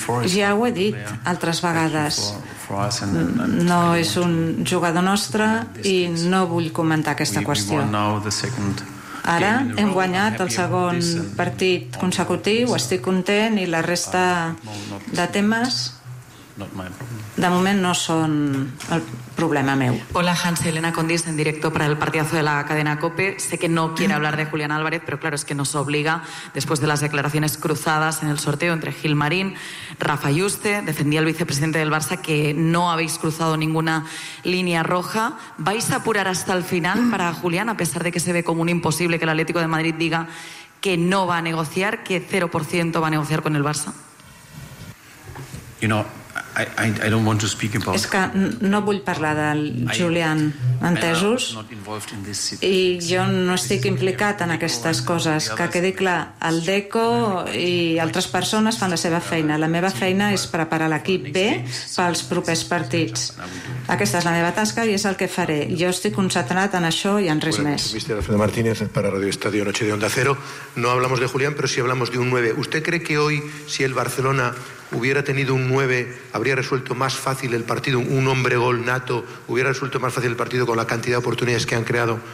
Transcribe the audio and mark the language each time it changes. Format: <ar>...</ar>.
<ca>Ja ho he dit altres vegades. No és un jugador nostre i no vull comentar aquesta qüestió. Ara hem guanyat el segon partit consecutiu, estic content, i la resta de temes de moment no són el problema meu.</ca> <es>Hola, Hans y Elena Condis, en directo para el partidazo de la cadena COPE. Sé que no quiere hablar de Julián Álvarez, pero claro, es que nos obliga, después de las declaraciones cruzadas en el sorteo entre Gil Marín, Rafa Yuste, defendía el vicepresidente del Barça, que no habéis cruzado ninguna línea roja. ¿Vais a apurar hasta el final para Julián, a pesar de que se ve como un imposible que el Atlético de Madrid diga que no va a negociar, que 0% va a negociar con el Barça?</es> <en>You know, I don't want to speak about...</en> <ca>És que no vull parlar del Julián, entesos? I jo no estic implicat en aquestes coses. Que quedi clar, el Deco i altres persones fan la seva feina. La meva feina és preparar l'equip bé pels propers partits. Aquesta és la meva tasca i és el que faré. Jo estic concentrat en això i en res més.</ca> <es>Fernando Martínez para Radio Estadio Noche de Onda Cero. No hablamos de Julián, pero sí hablamos de un 9. ¿Usted cree que hoy, si el Barcelona hubiera tenido un 9, habría resuelto más fácil el partido, un hombre gol nato, hubiera resuelto más fácil el partido con la cantidad de oportunidades que han creado?</es>